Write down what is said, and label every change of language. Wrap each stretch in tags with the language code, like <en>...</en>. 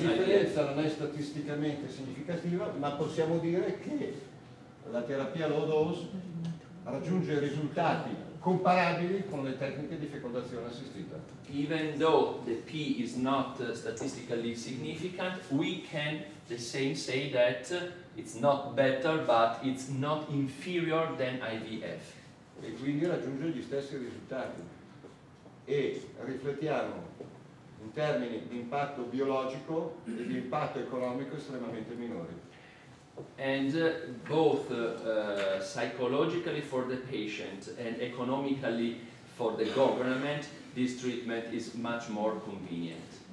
<it>IVF. La differenza non è statisticamente significativa, ma possiamo dire che la terapia low dose raggiunge risultati comparabili con le tecniche di fecondazione assistita.</it> <en>Even though the P is not statistically significant, we can the same say that it's not better, but it's not inferior than IVF.</en> <it>E quindi raggiunge gli stessi risultati. E riflettiamo in termini di impatto biologico e di impatto economico estremamente minori.</it> <en>And both psychologically for the patient and economically for the government, this treatment is much more convenient.</en>